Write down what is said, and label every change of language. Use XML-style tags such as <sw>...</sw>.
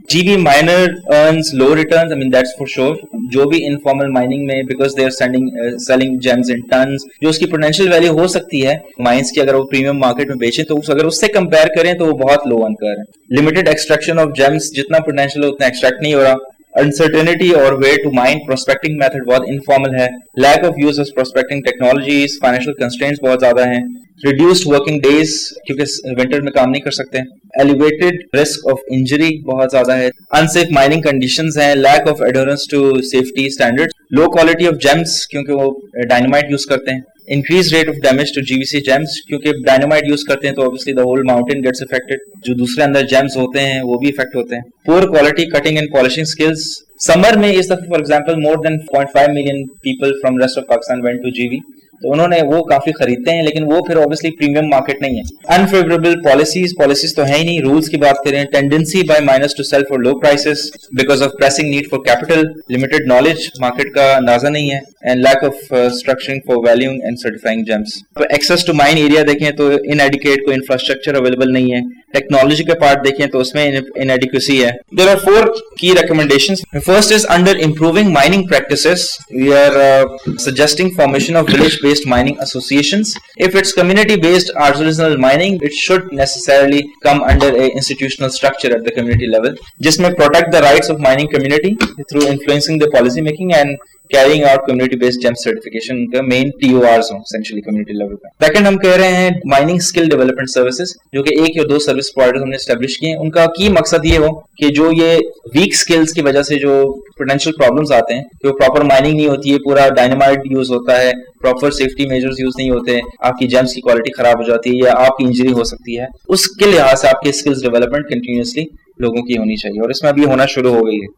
<hi>GB minor earns low returns,</hi> <en>I mean that's for sure,</en> <hi>जो भी informal mining में because दे are sending selling James in turns, जो उसकी potential value हो सकती है माइन्स की अगर वो प्रीमियम मार्केट में बेचें तो अगर उससे कंपेयर करें तो वो बहुत लो अर्न कर रहे. लिमिटेड एक्सट्रैक्शन ऑफ जेम्स, जितना पोटेंशियल है उतना एक्सट्रैक्ट नहीं हो रहा.</hi> <en>Uncertainty or way to mine, prospecting method बहुत informal है. Lack of use of prospecting technologies, financial constraints बहुत ज्यादा है.</en> <hi>Reduced working days, क्योंकि winter में काम नहीं कर सकते.</hi> <en>Elevated risk of injury बहुत ज्यादा है. Unsafe mining conditions है. Lack of adherence to safety standards. Low quality of gems, क्योंकि वो dynamite use करते हैं. Increased rate of damage to GVC gems, क्योंकि dynamite use करते हैं तो obviously the whole mountain gets affected.</en> <hi>जो दूसरे अंदर gems होते हैं वो भी affect होते हैं.</hi> <en>Poor quality cutting and polishing skills. Summer में इस दफा for example more than 0.5 million people from rest of Pakistan went to GV.</en> <hi>तो उन्होंने वो काफी खरीदते हैं लेकिन वो फिर obviously premium market नहीं है. Unfavorable policies, policies तो है ही नहीं.</hi> <en>Rules की बात करें, tendency by miners to sell for low prices because of pressing need for capital.</en> <hi>Limited knowledge, market का अंदाजा नहीं है.</hi> <en>And lack of structuring for valuing and certifying gems. Access to mine area देखें तो inadequate, कोई infrastructure available नहीं है.</en> <hi>Technology के part देखें तो उसमें inadequacy है.</hi> <en>There are four key recommendations. First is under improving mining practices, we are suggesting formation of village-based mining associations. If it's community-based artisanal mining, it should necessarily come under a institutional structure at the community level, जिसमें protect the rights of mining community through influencing the policy making and carrying out community-based gem certification का main TORs हों, essentially community level का.</en> <hi>Second हम कह रहे हैं mining skill development services, जो कि एक या दो service providers हमने establish किए हैं, उनका की मकसद ये हो कि जो ये weak skills की वजह से जो potential problems आते हैं, कि वो proper mining नहीं होती है, पूरा dynamite use होता है, proper safety measures use नहीं होते, आपकी gems की quality खराब हो जाती है, या आपकी injury हो सकती है, उसके लिहाज से आपके skills development continuously लोगों की होनी चाहिए और इसमें अभी होना शुरू हो गई है.</hi>